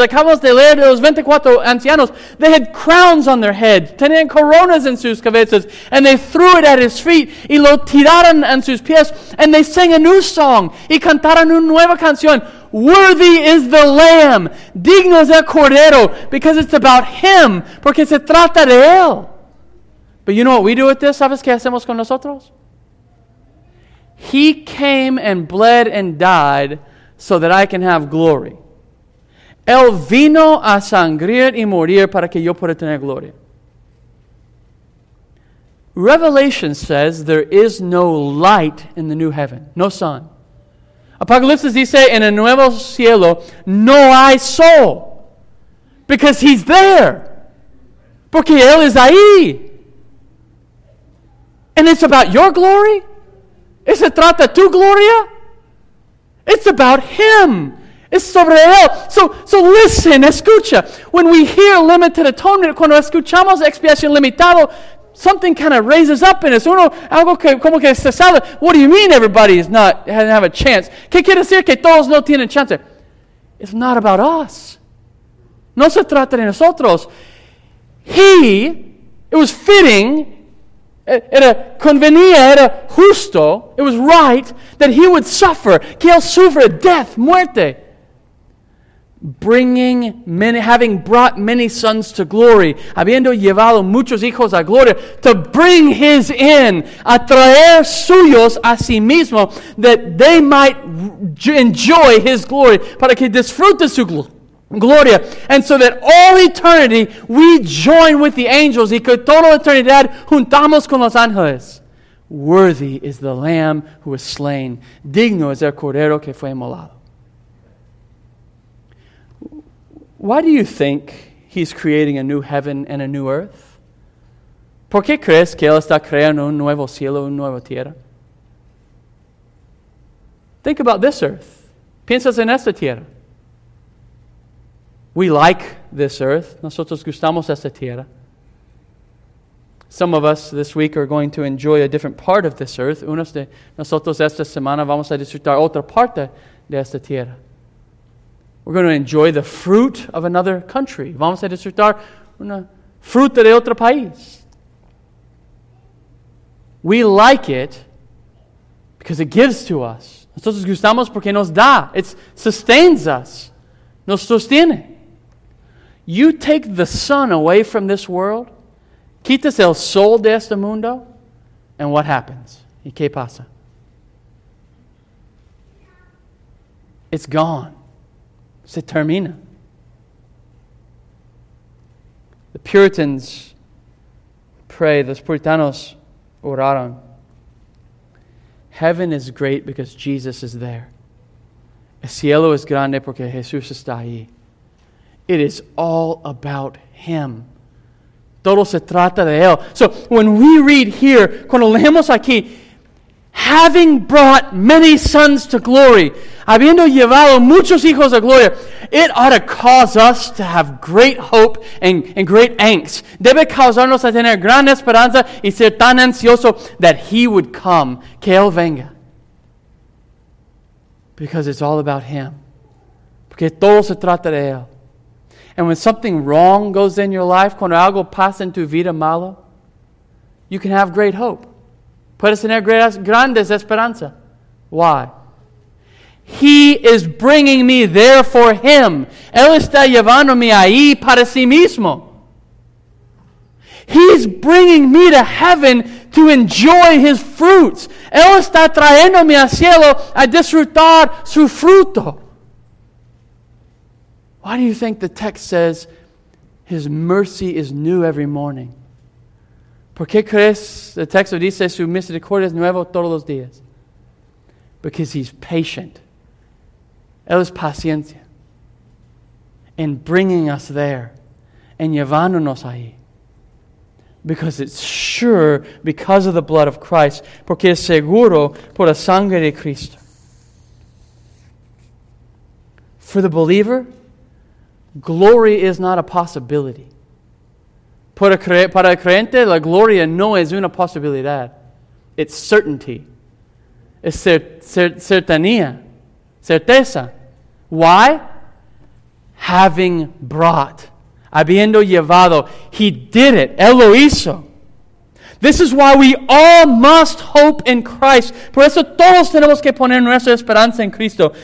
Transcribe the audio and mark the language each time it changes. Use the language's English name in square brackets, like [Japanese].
[Spanish] Acabamos de leer de los 24 ancianos. [English] They had crowns on their head. [Spanish] Tenían coronas en sus cabezas. [English] And they threw it at His feet. [Spanish] Y lo tiraron en sus pies. [English] And they sang a new song. [Spanish] Y cantaron una nueva canción. [English] Worthy is the Lamb. [Spanish] Digno es el Cordero. [English] Because it's about Him. [Spanish] Porque se trata de Él. [English] But you know what we do with this? [Spanish] ¿Sabes qué hacemos con nosotros? [English] He came and bled and died so that I can have glory. [Spanish] Él vino a sangrir y morir para que yo pueda tener gloria. [English] Revelation says there is no light in the new heaven. No sun. [Spanish] Apocalipsis dice, en el nuevo cielo, no hay sol. [English] Because He's there. [Spanish] Porque Él es ahí. [English] And it's about your glory. [Spanish] ¿Es se trata tu gloria? [English] It's about Him. It's [Spanish] sobre Él. [English] So listen, [Spanish] escucha. [English] When we hear limited atonement, [Spanish] cuando escuchamos expiación limitado, [English] something kind of raises up in us. [Spanish] Uno, algo que, como que se sale. [English] What do you mean everybody is not, doesn't have a chance? [Spanish] ¿Qué quiere decir que todos no tienen chance? [English] It's not about us. [Spanish] No se trata de nosotros. [English] He, it was fitting, [Spanish] era convenía, era justo, [English] it was right that He would suffer, [Spanish] que Él sufra [English] death, [Spanish] muerte, [English] bringing many, having brought many sons to glory, [Spanish] habiendo llevado muchos hijos a gloria, [English] to bring His in, [Spanish] a traer suyos a sí mismo, [English] that they might enjoy His glory, [Spanish] para que disfrute su gloria, [English] and so that all eternity we join with the angels, [Spanish] y que toda eternidad juntamos con los ángeles. [English] Worthy is the Lamb who was slain. [Spanish] Digno es el Cordero que fue inmolado. [English] Why do you think He's creating a new heaven and a new earth? [Spanish] ¿Por qué crees que Él está creando un nuevo cielo, una nueva tierra? [English] Think about this earth. [Spanish] Piensas en esta tierra. [English] We like this earth. [Spanish] Nosotros gustamos esta tierra. [English] Some of us this week are going to enjoy a different part of this earth. [Spanish] Unos de nosotros esta semana vamos a disfrutar otra parte de esta tierra. [English] We're going to enjoy the fruit of another country. [Spanish] Vamos a disfrutar una fruta de otro país. [English] We like it because it gives to us. [Spanish] Nosotros gustamos porque nos da. [English] It sustains us. [Spanish] Nos sostiene. [English] You take the sun away from this world, [Spanish] quitas el sol de este mundo, [English] and what happens? [Spanish] ¿Y qué pasa? [English] It's gone. [Spanish] Se termina. [English] The Puritans pray, [Spanish] los puritanos oraron, [English] heaven is great because Jesus is there. [Spanish] El cielo es grande porque Jesús está ahí. [English] It is all about Him. [Spanish] Todo se trata de Él. [English] So when we read here, [Spanish] cuando leemos aquí, [English] having brought many sons to glory, [Spanish] habiendo llevado muchos hijos a gloria, [English] it ought to cause us to have great hope and great angst. [Spanish] Debe causarnos a tener gran esperanza y ser tan ansioso [English] that He would come, [Spanish] que Él venga. [English] Because it's all about Him. [Spanish] Porque todo se trata de Él. [English] And when something wrong goes in your life, [Spanish] cuando algo pasa en tu vida malo, [English] you can have great hope. [Spanish] Puedes tener grandes esperanza. [English] Why? He is bringing me there for Him. [Spanish] Él está llevándome ahí para sí mismo. [English] He's bringing me to heaven to enjoy His fruits. [Spanish] Él está trayéndome al cielo a disfrutar su fruto. [English] Why do you think the text says His mercy is new every morning? [Spanish] ¿Por qué crees el texto dice su misericordia es nuevo todos los días? [English] Because He's patient. [Spanish] Él es paciencia. [English] In bringing us there. [Spanish] En llevándonos ahí. [English] Because it's sure because of the blood of Christ. [Spanish] Porque es seguro por la sangre de Cristo. [English] For the believer, glory is not a possibility. [Spanish] Para el creyente, la gloria no es una posibilidad. [English] It's certainty. [Spanish] Es certanía. Certeza. [English] Why? Having brought. [Spanish] Habiendo llevado. [English] He did it. [Spanish] Él lo hizo. [English] This is why we all must hope in Christ. [Spanish] Por eso todos tenemos que poner nuestra esperanza en Cristo.